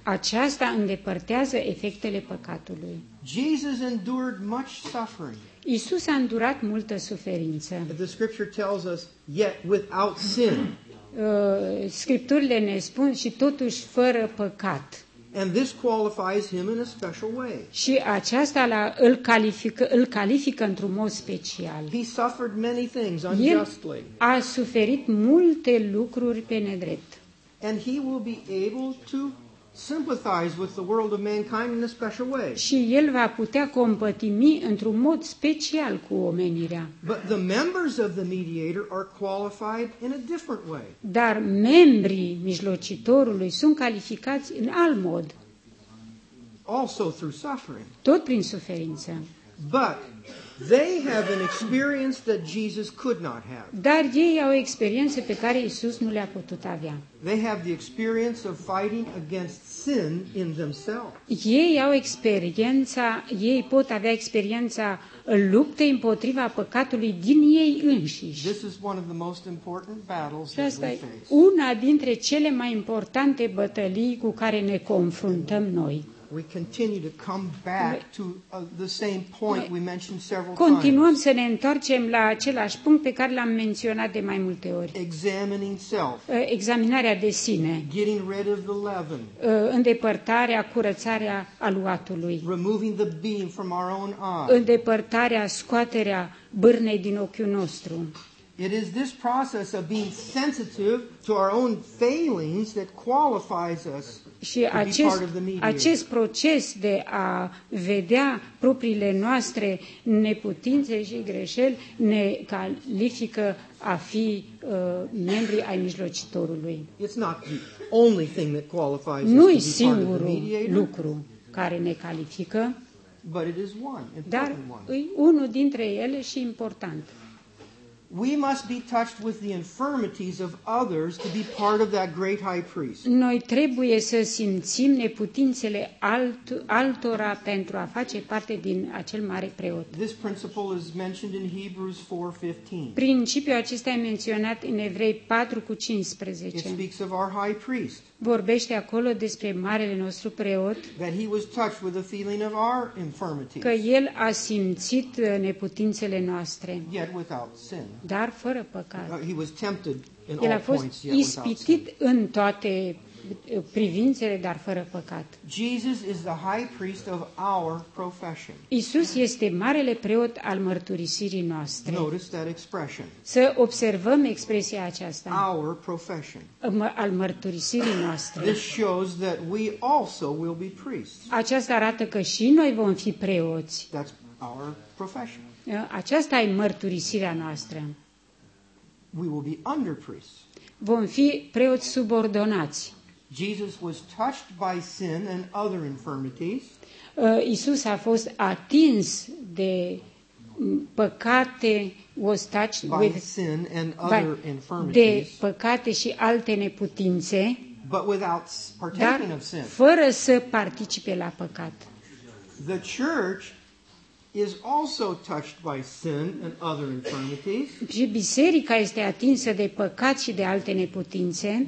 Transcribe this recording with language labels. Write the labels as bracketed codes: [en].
[ro] Aceasta îndepărtează efectele păcatului. [en] Jesus endured much suffering. [ro] Iisus a îndurat multă suferință. [en] The scripture tells us, yet without sin. [ro] Scripturile ne spun și totuși fără păcat. [en] And this qualifies him in a special way. [ro] Și aceasta îl califică într-un mod special. [en] He suffered many things unjustly. [ro] El a suferit multe lucruri pe nedrept. [en] And he will be able to sympathize with the world of mankind in a special way. [ro] Și el va putea compătimi într-un mod special cu omenirea. [en] But the members of the mediator are qualified in a different way. [ro] Dar membrii mijlocitorului sunt calificați în alt mod. [en] Also through suffering. [ro] Tot prin suferință. [en] But they have an experience that Jesus could not have. [ro] Dar ei au o experiență pe care Iisus nu le-a putut avea. [en] They have the experience of fighting against sin in themselves. [ro] Ei au experiența, ei pot avea experiența luptei împotriva păcatului din ei înșiși. [en] This is one of the most important battles [ro] Și asta e una dintre cele mai importante bătălii cu care ne confruntăm noi. [en] We continue to come back to the same point we mentioned several times. [ro] Continuăm să ne întoarcem la același punct pe care l-am menționat de mai multe ori. [en] Examining self. [ro] Examinarea de sine. [en] Getting rid of the leaven. [ro] Îndepărtarea, curățarea aluatului. [en] Removing the beam from our own eye. [ro] Îndepărtarea, scoaterea bârnei din ochiul nostru. [en] It is this process of being sensitive to our own failings that qualifies us. [ro] Și acest proces de a vedea propriile noastre neputințe și greșeli ne califică a fi membri ai mijlocitorului. [en] It's not the only thing that qualifies [ro] nu [en] us to be [ro] singurul [en] part of the mediator, [ro] lucru care ne califică, [en] but it is one, [ro] dar [en] one. [ro] E unul dintre ele și important. [en] We must be touched with the infirmities of others to be part of that great high priest. [ro] Noi trebuie să simțim neputințele altora pentru a face parte din acel mare preot. [en] This principle is mentioned in Hebrews 4:15. [ro] Principiul acesta e menționat în Evrei 4:15. [en] It speaks of our high priest. [ro] Vorbește acolo despre marele nostru preot. [en] That he was touched with the feeling of our infirmities. [ro] Că el a simțit neputințele noastre. [en] Yet without sin. [ro] Dar fără păcat. [en] He was tempted in [ro] el a fost [en] all points, [ro] ispitit în toate privințele, dar fără păcat. [en] Jesus is the high priest of our profession. [ro] Iisus este marele preot al mărturisirii noastre. [en] Notice that expression. [ro] Să observăm expresia aceasta. [en] Our profession. [ro] Al mărturisirii noastre. [en] This shows that we also will be priests. [ro] Aceasta arată că și noi vom fi preoți. [en] That's our profession. [ro] Aceasta e mărturisirea noastră. [en] We will be under priests. [ro] Vom fi preoți subordonați. [en] Jesus was touched by sin and other infirmities. [ro] Iisus a fost atins de păcate, [en] was touched with sin and other infirmities. [ro] De păcate și alte neputințe. [en] But without partaking of sin. [ro] Fără să participe la păcat. [en] The church is also touched by sin and other infirmities. [ro] Și biserica este atinsă de păcat și de alte neputințe.